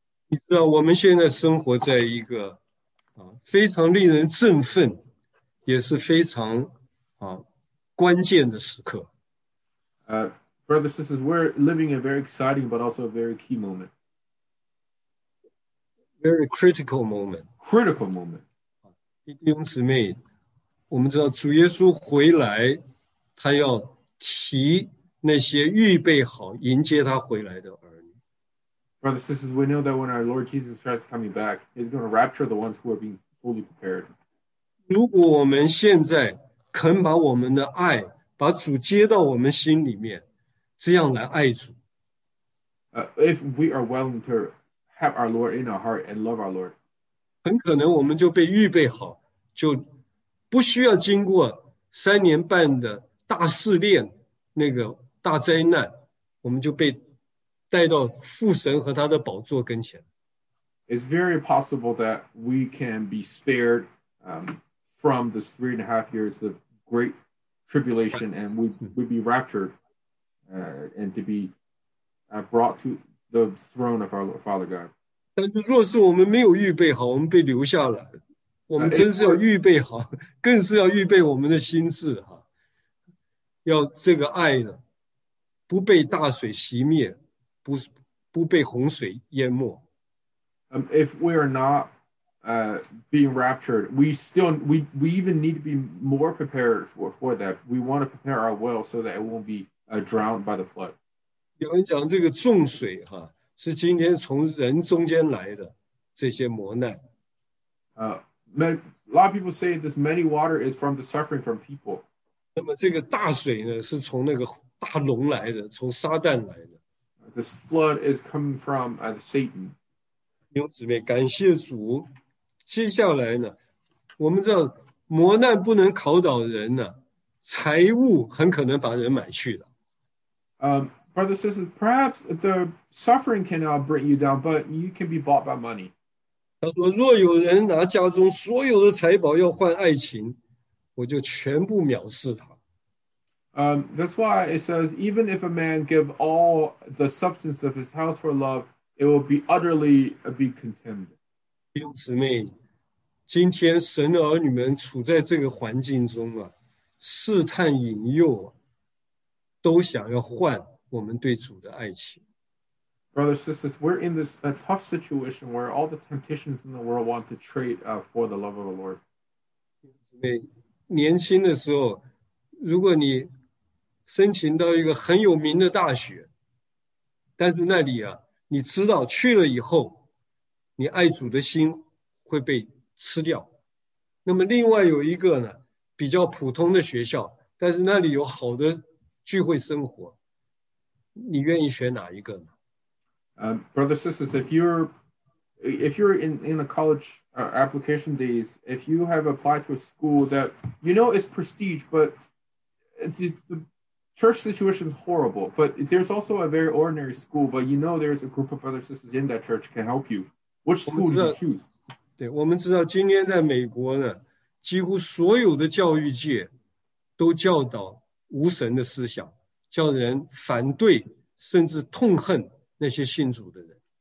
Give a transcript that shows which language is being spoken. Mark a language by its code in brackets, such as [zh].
[zh] 你知道我们现在生活在一个非常令人振奋，也是非常关键的时刻。 [en] Brothers, sisters, we're living a very exciting but also a very key moment. Very critical moment. Critical moment. [zh] 弟兄姊妹，我们知道主耶稣回来，他要提那些预备好迎接他回来的儿女。 [en] Brothers, sisters, we know that when our Lord Jesus Christ is coming back, he's going to rapture the ones who are being fully prepared. [zh] 如果我们现在肯把我们的爱把主接到我们心里面，这样来爱主。 [en] If we are willing to have our Lord in our heart and love our Lord, [zh] 很可能我们就被预备好，就不需要经过三年半的大试炼，那个大灾难，我们就被带到父神和他的宝座跟前。 [en] It's very possible that we can be spared, from this 3.5 years of great tribulation, and we'd be raptured and to be brought to the throne of our Lord, Father God. [zh] 但是若是我们没有预备好，我们被留下来，我们真是要预备好，更是要预备我们的心智哈，要这个爱呢，不被大水熄灭，不被洪水淹没。 [en] If we are not being raptured, we even need to be more prepared for that. We want to prepare our will so that it won't be drowned by the flood. [zh] 有人讲这个重水哈，是今天从人中间来的这些磨难。 [en] A lot of people say this many water is from the suffering from people. [zh] 那么这个大水呢，是从那个大龙来的，从撒旦来的。 [en] This flood is coming from Satan. [zh] 弟兄姊妹，感谢主。接下来呢，我们知道磨难不能考倒人呢，财物很可能把人买去了。 [en] Brother, sister, perhaps the suffering cannot bring you down, but you can be bought by money. [zh] 他说，若有人拿家中所有的财宝要换爱情，我就全部藐视他。 [en] That's why it says, even if a man give all the substance of his house for love, it will be utterly be contemned. [zh] 弟兄姊妹，今天神的儿女们处在这个环境中啊，试探引诱啊，都想要换我们对主的爱情。 [en] Brothers, sisters, we're in this a tough situation where all the temptations in the world want to trade for the love of the Lord. [zh] 对，年轻的时候，如果你申请到一个很有名的大学，但是那里啊，你知道去了以后，你爱主的心会被吃掉。那么另外有一个呢，比较普通的学校，但是那里有好的聚会生活，你愿意选哪一个呢？ [en] Brothers, sisters, if you're in the college application days, if you have applied to a school that you know is prestige, but the church situation is horrible, but there's also a very ordinary school, but you know there's a group of brothers and sisters in that church can help you. Which school do you choose? [zh] 对，我们知道今天在美国呢，几乎所有的教育界都教导无神的思想，叫人反对甚至痛恨那些信主的人。